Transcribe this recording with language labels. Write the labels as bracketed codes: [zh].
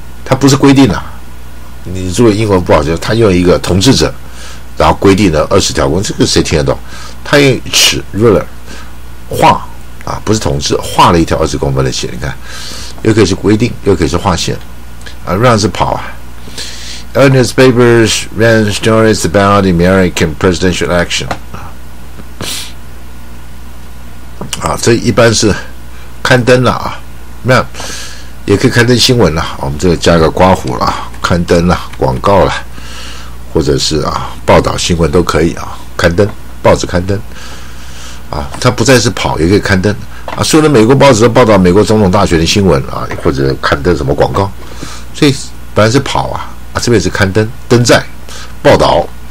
[zh] 他不是规定的、啊，你如果英文不好，就他用一个统治者，然后规定了20条公，这个谁听得懂？他用尺 ruler 画啊，不是统治，画了一条20公分的线。你看，又可以是规定，又可以是画线啊。 run 是跑啊。 [en] In his papers, ran stories about the American presidential election 啊，这一般是刊登了啊。 run。 [zh] 也可以刊登新闻了，我们这个加个刮胡了，刊登了广告了，或者是啊报道新闻都可以啊，刊登报纸刊登啊，它不再是跑，也可以刊登啊，所有的美国报纸都报道美国总统大选的新闻啊，或者刊登什么广告，所以本来是跑啊，啊这边是刊登登载报道。